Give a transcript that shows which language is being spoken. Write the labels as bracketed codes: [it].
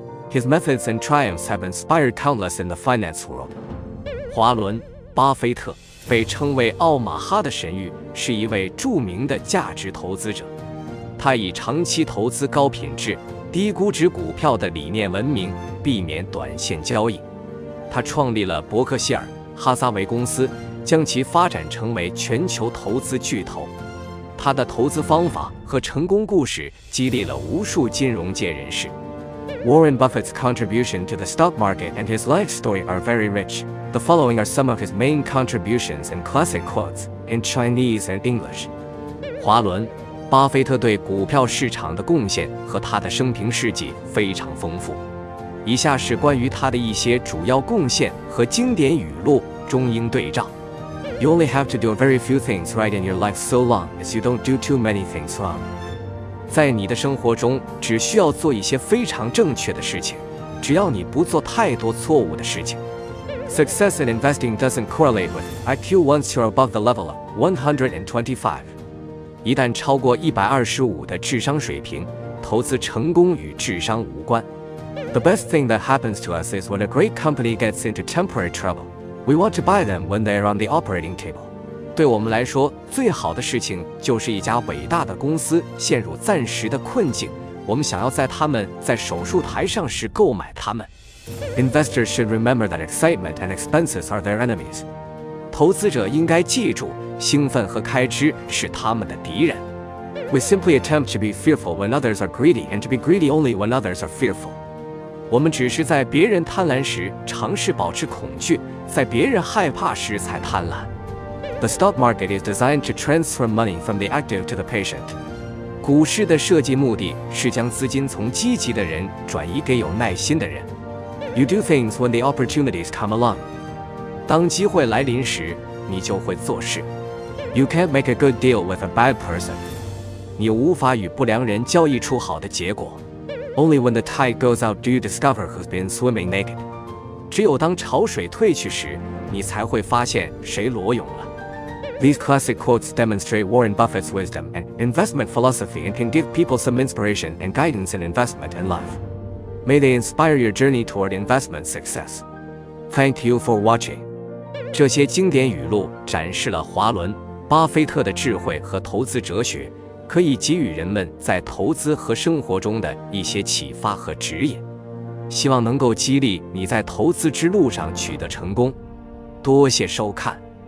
[en] His methods and triumphs have inspired countless in the finance world. [zh] 华伦·巴菲特被称为奥马哈的神谕，是一位著名的价值投资者。他以长期投资高品质、低估值股票的理念闻名，避免短线交易。他创立了伯克希尔·哈撒韦公司，将其发展成为全球投资巨头。他的投资方法和成功故事激励了无数金融界人士。 [en] Warren Buffett's contribution to the stock market and his life story are very rich. The following are some of his main contributions and classic quotes in Chinese and English. [zh] 华伦·巴菲特对股票市场的贡献和他的生平事迹非常丰富。以下是关于他的一些主要贡献和经典语录中英对照。 [en] You only have to do very few things right in your life so long as you don't do too many things wrong. [zh] 在你的生活中只需要做一些非常正确的事情，只要你不做太多错误的事情。 [en] Success in investing doesn't correlate with IQ once you're above the level of 125. [zh] 一旦超过125的智商水平，投资成功与智商无关。 [en] The best thing that happens to us is when a great company gets into temporary trouble. We want to buy them when they're on the operating table. [zh] 对我们来说，最好的事情就是一家伟大的公司陷入暂时的困境，我们想要在他们在手术台上时购买他们。 [en] Investors should remember that excitement and expenses are their enemies. [zh] 投资者应该记住，兴奋和开支是他们的敌人。 [en] We simply attempt to be fearful when others are greedy and to be greedy only when others are fearful. [zh] 我们只是在别人贪婪时尝试保持恐惧，在别人害怕时才贪婪。 [en] The stock market is designed to transfer money from the active to the patient. [zh] 股市的设计目的是将资金从积极的人转移给有耐心的人。 [en] You do things when the opportunities come along. [zh] 当机会来临时，你就会做事。 [en] You can't make a good deal with a bad person. [zh] 你无法与不良人交易出好的结果。 [en] Only when the tide goes out do you discover who's been swimming naked. [zh] 只有当潮水退去时，你才会发现谁裸泳了。 [en] These classic quotes demonstrate Warren Buffett's wisdom and investment philosophy and can give people some inspiration and guidance in investment and life. May they inspire your journey toward investment success. Thank you for watching. [zh] 这些经典语录展示了华伦·巴菲特的智慧和投资哲学，可以给予人们在投资和生活中的一些启发和指引，希望能够激励你在投资之路上取得成功。多谢收看。